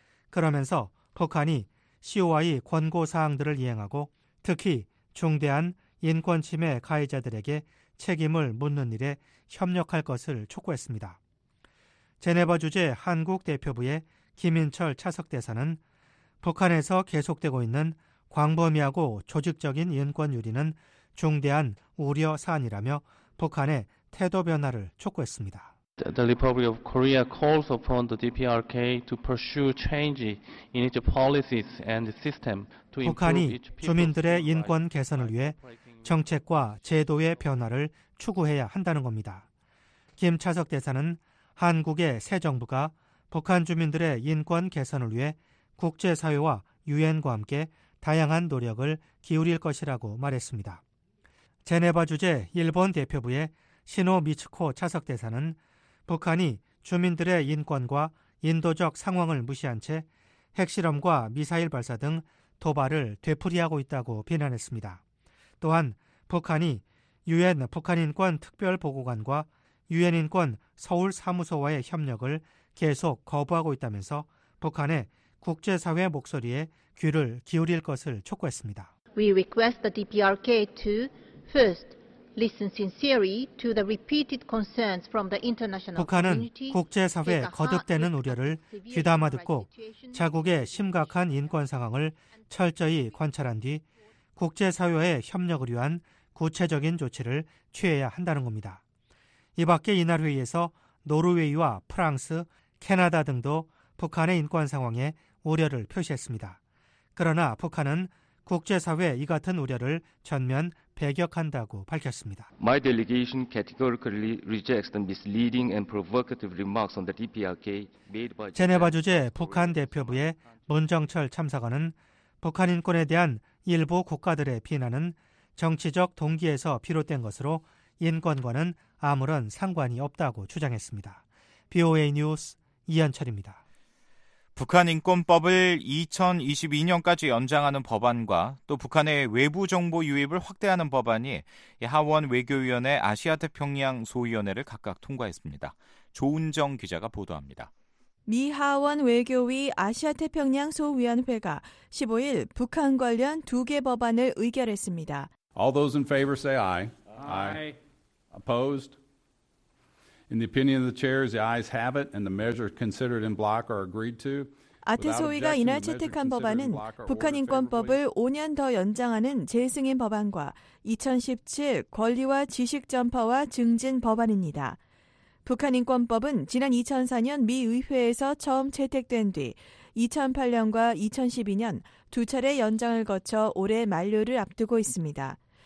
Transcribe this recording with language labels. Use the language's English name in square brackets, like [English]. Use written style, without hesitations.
[Korean] 그러면서 북한이 COI 권고사항들을 이행하고 특히 중대한 인권침해 가해자들에게 책임을 묻는 일에 협력할 것을 촉구했습니다. 제네바 주재 한국 대표부의 김인철 차석대사는 북한에서 계속되고 있는 광범위하고 조직적인 인권 유린은 중대한 우려 사안이라며 북한의 태도 변화를 촉구했습니다. [English] The Republic of Korea calls upon the DPRK to pursue change in its policies and system to improve people's [Korean] 북한이 주민들의 인권 개선을 위해 정책과 제도의 변화를 추구해야 한다는 겁니다. 김 차석 대사는 한국의 새 정부가 북한 주민들의 인권 개선을 위해 국제사회와 유엔과 함께 다양한 노력을 기울일 것이라고 말했습니다. 제네바 주재 일본 대표부의 시노 미츠코 차석 대사는 북한이 주민들의 인권과 인도적 상황을 무시한 채 핵실험과 미사일 발사 등 도발을 되풀이하고 있다고 비난했습니다. 또한 북한이 유엔 북한인권특별보고관과 유엔인권서울사무소와의 협력을 계속 거부하고 있다면서 북한의 국제사회 목소리에 귀를 기울일 것을 촉구했습니다. [English] We request the DPRK to first listen sincerely to the repeated concerns from the international community. [Korean] 북한은 국제 사회의 거듭되는 우려를 귀담아 듣고 자국의 심각한 인권 상황을 철저히 관찰한 뒤 국제 사회의 협력을 위한 구체적인 조치를 취해야 한다는 겁니다. 이 밖에 이날 회의에서 노르웨이와 프랑스, 캐나다 등도 북한의 인권 상황에 우려를 표시했습니다. 그러나 북한은 국제사회 이 같은 우려를 전면 배격한다고 밝혔습니다. [English] My delegation categorically rejects the misleading and provocative remarks on the DPRK made by [Korean] 제네바 주재 북한 대표부의 문정철 참사관은 북한 인권에 대한 일부 국가들의 비난은 정치적 동기에서 비롯된 것으로 인권과는 아무런 상관이 없다고 주장했습니다. BOA 뉴스 이현철입니다. 북한 인권법을 2022년까지 연장하는 법안과 또 북한의 외부 정보 유입을 확대하는 법안이 하원 외교위원회 아시아태평양 소위원회를 각각 통과했습니다. 조은정 기자가 보도합니다. 미 하원 외교위 아시아태평양 소위원회가 15일 북한 관련 두 개 법안을 의결했습니다. [English] All those in favor say aye. Aye. Opposed? In the opinion of the chairs, the ayes have it and the measure considered in block are agreed to. [Korean] 아태 소위가 이날 채택한 법안은 북한 인권법을 5년 더 연장하는 재승인 법안과 2017 권리와 지식 전파와 증진 법안입니다. 북한 인권법은 지난 2004년 미 의회에서 처음 채택된 뒤 2008년과 2012년 두 차례 연장을 거쳐 올해 만료를 앞두고 있습니다.